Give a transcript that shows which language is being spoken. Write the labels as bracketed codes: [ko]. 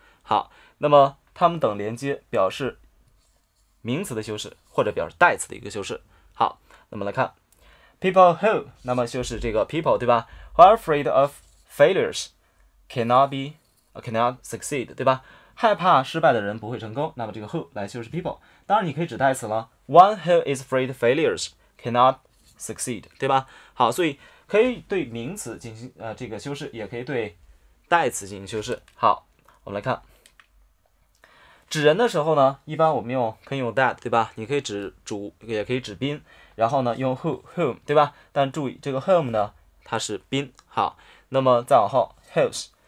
[zh] 好，那么它们等连接表示名词的修饰，或者表示代词的一个修饰。好，那么来看，people who，那么修饰这个 people，对吧？ [en] Who are afraid of failures cannot be。 Cannot succeed， [zh] 对吧？害怕失败的人不会成功。那么这个 who 来修饰 people，当然你可以指代词了。 [en] One who is afraid of failures cannot succeed， [zh] 对吧？好，所以可以对名词进行这个修饰，也可以对代词进行修饰。好，我们来看，指人的时候呢，一般我们用可以用 that，对吧？你可以指主，也可以指宾，然后呢用 who，whom，对吧？但注意这个 whom 呢，它是宾。好，那么再往后 whose。